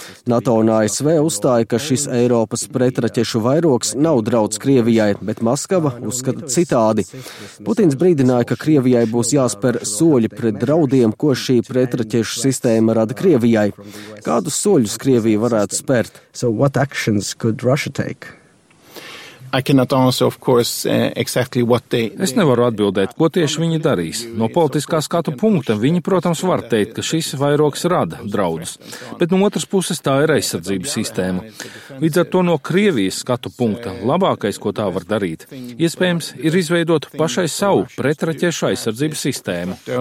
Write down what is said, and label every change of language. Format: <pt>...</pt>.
<lv>NATO un ASV uzstāja, ka šis Eiropas pretraķešu vairogs nav drauds Krievijai, bet Maskava uzskata citādi. Putins brīdināja, ka Krievijai būs jāsper soļi pret draudiem, ko šī pretraķešu sistēma rada Krievijai. Kādus soļus Krievija varētu spērt?</lv> <en>So what actions could Russia take?</en> <lv>Es nevaru atbildēt, ko tieši viņi darīs. No politiskā skatu punkta viņi, protams, var teikt, ka šis vairogs rada draudus. Bet no otras puses tā ir aizsardzības sistēma. Līdz ar to no Krievijas skatu punkta labākais, ko tā var darīt, iespējams, ir izveidot pašai savu pretraķešu aizsardzības sistēmu.</lv>